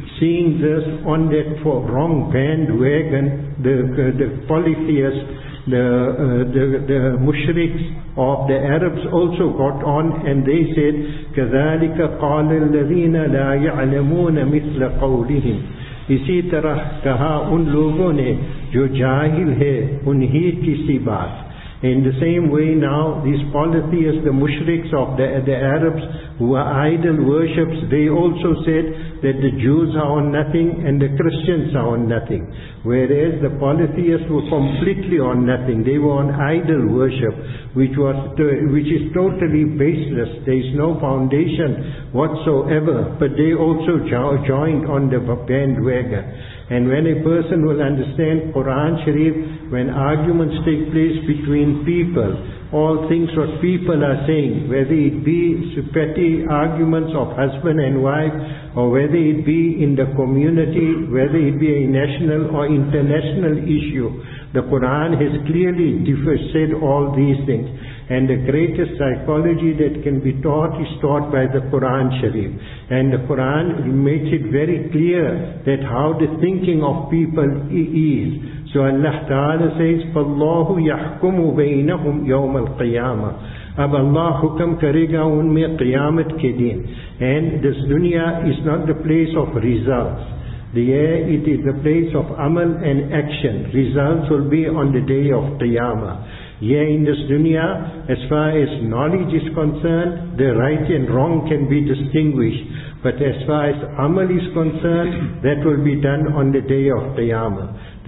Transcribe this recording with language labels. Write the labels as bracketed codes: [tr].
[en] Seeing this on that wrong bandwagon, the polytheists, the mushriks of the Arabs also got on, and they said, [ar] كَذَلِكَ قَالَ الَّذِينَ لَا يَعْلَمُونَ مِثْلَ قَوْلِهِمْ. [ur] اسی طرح کہا ان لوگوں نے جو جاہل ہے انہی کسی بات. [en] In the same way now, these polytheists, the mushriks of the Arabs, who are idol worships, they also said that the Jews are on nothing and the Christians are on nothing. Whereas the polytheists were completely on nothing. They were on idol worship, which is totally baseless. There is no foundation whatsoever. But they also joined on the bandwagon. And when a person will understand Quran Sharif, when arguments take place between people, all things what people are saying, whether it be petty arguments of husband and wife, or whether it be in the community, whether it be a national or international issue, the Quran has clearly said all these things. And the greatest psychology that can be taught is taught by the Quran Sharif. And the Quran makes it very clear that how the thinking of people is. So Allah Ta'ala says, [ar] فَاللَّهُ يَحْكُمُ بَيْنَهُمْ يَوْمَ الْقِيَامَةِ. [ur] اب اللہ حکم کرے گا ان میں قیامت کے دن. [en] And this dunya is not the place of results. The year it is the place of amal and action. Results will be on the day of Qiyamah. Here in this dunya, as far as knowledge is concerned, the right and wrong can be distinguished. But as far as amal is concerned, that will be done on the day of Qiyamah.